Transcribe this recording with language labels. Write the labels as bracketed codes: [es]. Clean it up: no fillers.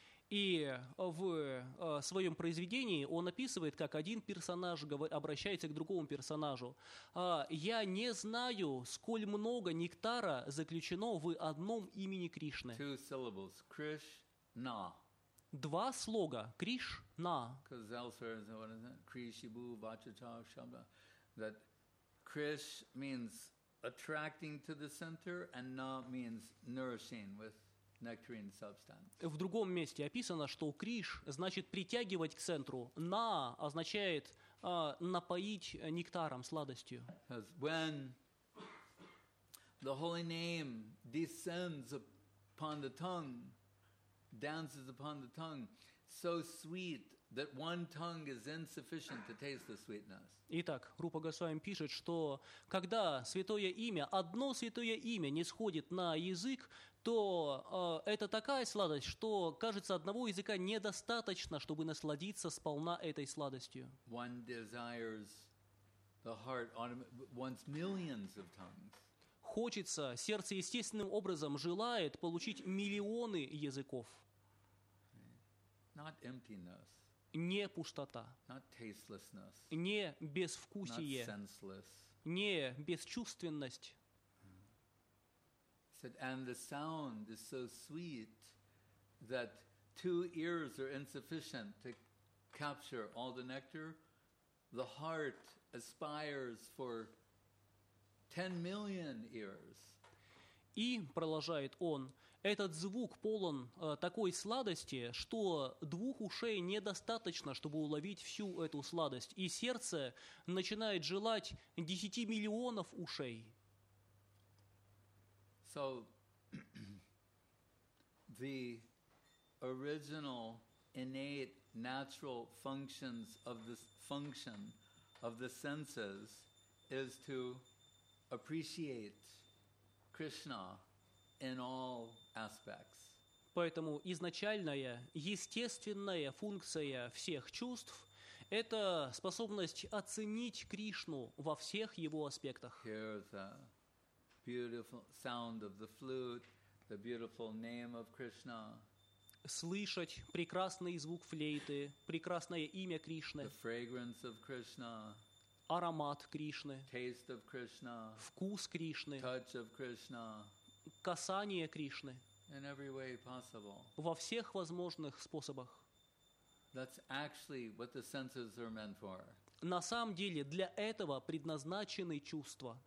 [ru] И в своем произведении он описывает, как один персонаж обращается к другому персонажу. «Я не знаю, сколь много нектара заключено в одном имени Кришны». [en] Two syllables. Krishna. [ru] Два слога. Кришна. [en] Because elsewhere, what is it? Krishibu, Vachata, Shabda. That Krish means attracting to the center, and Na means nourishing with nectarine substance. [ru] В другом месте описано, что Криш значит притягивать к центру. На означает напоить нектаром, сладостью. [en] When the holy name descends upon the tongue, dances upon the tongue, so sweet that one tongue is insufficient to taste the sweetness. [ru] Итак, Рупа Госвами пишет, что когда святое имя, одно святое имя нисходит на язык, то это такая сладость, что, кажется, одного языка недостаточно, чтобы насладиться сполна этой сладостью. [en] One desires the heart, wants millions of tongues. [ru] Хочется, сердце естественным образом желает получить миллионы языков. [en] Not emptiness. [ru] Не пустота. [en] Not tastelessness. [ru] Не безвкусие. [en] Not senseless. [ru] Не бесчувственность. [en] And the sound is so sweet that two ears are insufficient to capture all the nectar. The heart aspires for 10 million ears. [ru] И, продолжает он, этот звук полон такой сладости, что двух ушей недостаточно, чтобы уловить всю эту сладость. И сердце начинает желать 10 миллионов ушей. [en] So the original innate natural functions of this function of the senses is to appreciate Krishna in all aspects. [ru] Поэтому изначальная естественная функция всех чувств – это способность оценить Кришну во всех его аспектах. [en] Beautiful sound of the flute, the beautiful name of Krishna. [ru] Слышать прекрасный звук флейты, прекрасное имя Кришны. [en] The fragrance of Krishna. [ru] Аромат Кришны. [en] Taste of Krishna. [ru] Вкус Кришны. [en] Touch of Krishna. [ru] Касание Кришны. [en] In every way possible. [ru] Во всех возможных способах. [en] That's actually what the senses are meant for. [ru] На самом деле для этого предназначены чувства.